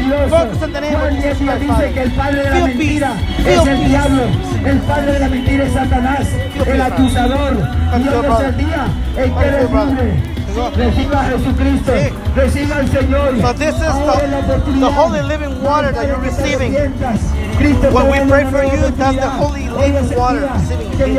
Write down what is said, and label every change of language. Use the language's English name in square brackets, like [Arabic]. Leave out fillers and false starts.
[English] Focus on the name of Jesus Christ, Father. Feel peace. Feel peace. [Spanish] El padre de la mentira es Satanás, el acusador, y hoy es el día en que recibe. Reciba a Jesucristo. Reciba al Señor. [English] So this is the holy living water that you're receiving. When we pray for you, that's the holy living water receiving you.